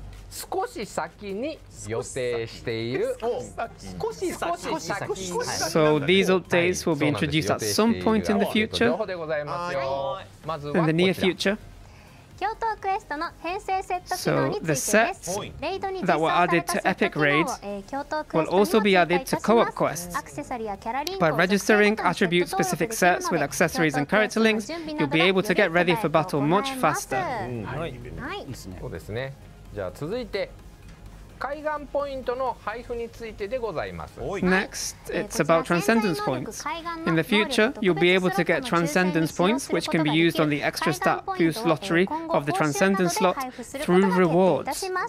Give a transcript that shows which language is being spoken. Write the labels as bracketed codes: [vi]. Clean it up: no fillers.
[ja] 少し先に予定している。少し先。少し先。 [en] So these updates will be introduced at some point in the future. In the near future. [ja] 京都クエストの編成セット機能についてです。レイドに実装されたセット機能を京都クエストにも追加いたします。アクセサリーやキャラリンクを設定するために、 [en] By registering attribute specific sets with accessories and character links, you'll be able to get ready for battle much faster. [ja] はい、そうですね。じゃあ続いて海岸ポイントの配布についてでございます。 [en] Next, it's about transcendence points. In the future, you'll be able to get transcendence points, which can be used on the extra stat boost lottery of the transcendence slot through rewards.